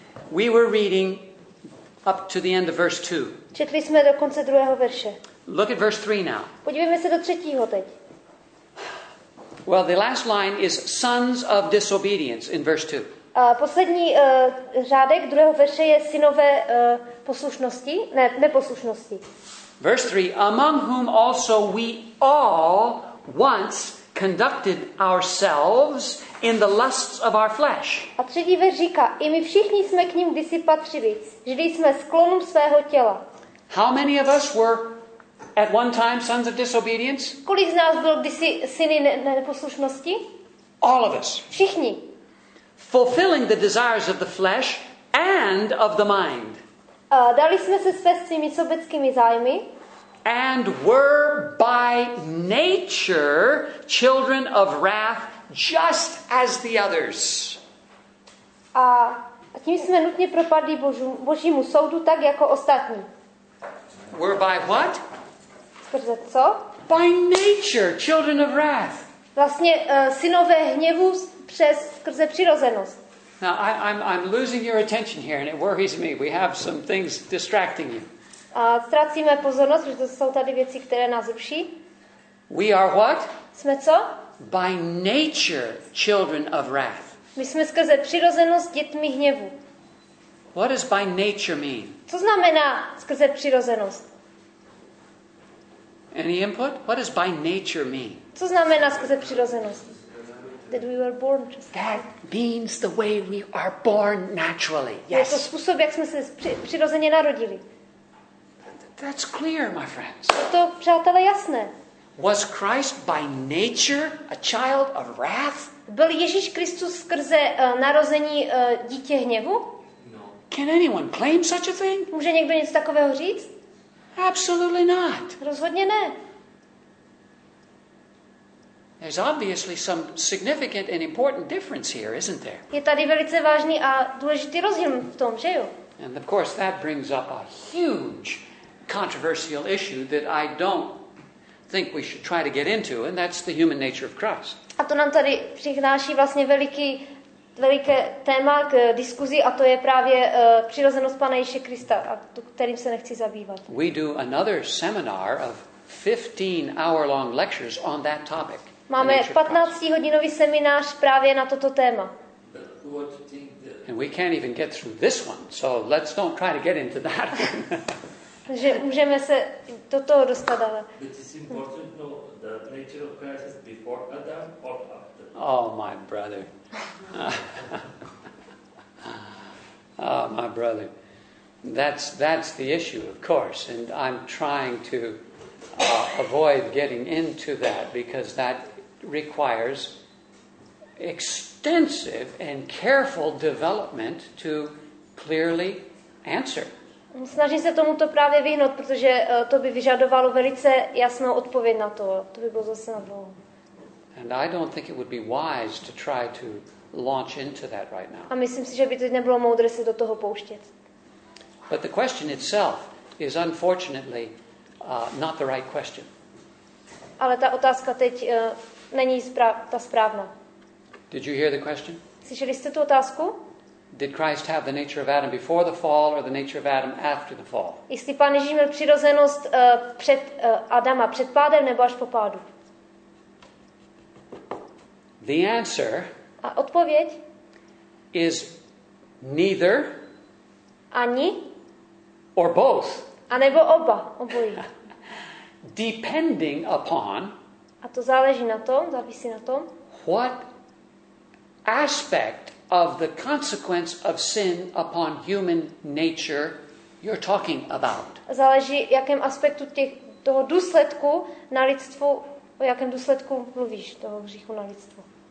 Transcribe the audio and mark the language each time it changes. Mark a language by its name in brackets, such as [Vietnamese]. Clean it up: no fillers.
[English] We were reading up to the end of verse 2. [Czech] Četli jsme do konce druhého verše. [English] Look at verse 3 now. [Czech] Podívejme se do třetího teď. [English] Well, the last line is sons of disobedience in verse 2. [Czech] Poslední řádek druhého verše je synové poslušnosti, ne, neposlušnosti. [English] Verse 3, among whom also we all once conducted ourselves in the lusts of our flesh. [Czech] A třetí verš říká, i my všichni jsme k ním kdysi patřili, žili jsme sklonům svého těla. [English] How many of us were at one time sons of disobedience? [Czech] Kolik z nás bylo kdysi syny neposlušnosti? [English] All of us. [Czech] Všichni. [English] Fulfilling the desires of the flesh and of the mind. [Czech] Dali jsme se své svými sobeckými zájmy. [English] And were by nature children of wrath just as the others. [Czech] A tím jsme nutně propadli Božímu soudu tak jako ostatní. [English] Were by what? [Czech] Skrze co? [English] By nature children of wrath. [Czech] Vlastně synové hněvu přes skrze přirozenost. [English] Now I'm losing your attention here and it worries me. We have some things distracting you. [Czech] A ztrácíme pozornost, protože jsou tady věci, které nás ruší. [English] We are what? [Czech] Jsme co? [English] By nature, children of wrath. [Czech] My jsme skrze přirozenost dětmi hněvu. [English] What does by nature mean? [Czech] Co znamená skrze přirozenost? [English] Any input? What does by nature mean? [Czech] Co znamená skrze přirozenost? [English] That we were born just. That means the way we are born naturally. Yes. [Czech] Je to způsob, jak jsme se přirozeně narodili. [English] That's clear, my friends. [Czech] Je to, přátelé, jasné. [English] Was Christ by nature a child of wrath? [Czech] Byl Ježíš Kristus skrze narození dítě hněvu? [English] Can anyone claim such a thing? [Czech] Může někdo něco takového říct? [English] Absolutely not. [Czech] Rozhodně ne. [English] There's obviously some significant and important difference here, isn't there? [Czech] Je tady velice vážný a důležitý rozdíl v tom, že jo? [English] And of course that brings up a huge controversial issue that I don't think we should try to get into, and that's the human nature of Christ. [Czech] A to nám tady přináší vlastně veliké téma k diskuzi, a to je právě přirozenost Pana Ježíše Krista, a to, kterým se nechci zabývat. [English] We do another seminar of 15-hour-long lectures on that topic. [Czech] Máme 15-hodinový seminář právě na toto téma. [English] And we can't even get through this one, so let's don't try to get into that. [Czech] Že můžeme se do toho dostat, ale. [English] It is important to know the nature of Christ is before Adam or after. Oh, my brother. Oh, my brother. That's the issue, of course, and I'm trying to avoid getting into that because that requires extensive and careful development to clearly answer. [Czech] Snažím se tomuto právě vyhnout, protože to by vyžadovalo velice jasnou odpověď na to. To by bylo zase na dlouho. [English] And I don't think it would be wise to try to launch into that right now. [Czech] A myslím si, že by to nebylo moudré se do toho pouštět. [English] But the question itself is unfortunately not the right question. [Czech] Ale ta otázka teď není ta správná. [English] Did you hear the question? [Czech] Slyšeli jste tu otázku? [English] Did Christ have the nature of Adam before the fall or the nature of Adam after the fall? [Czech] Jestli Pán Ježíš měl přirozenost před Adama, před pádem nebo až po pádu? [English] The answer. [Czech] A odpověď? [English] Is neither. [Czech] Ani. [English] Or both. [Czech] A nebo oba, obojí. [English] Depending upon. [Czech] A to záleží na tom, závisí na tom. [English] What aspect of the consequence of sin upon human nature you're talking about. [Czech] Záleží, jakém aspektu toho důsledku na lidstvu, o jakém důsledku mluvíš, toho hříchu na lidstvu.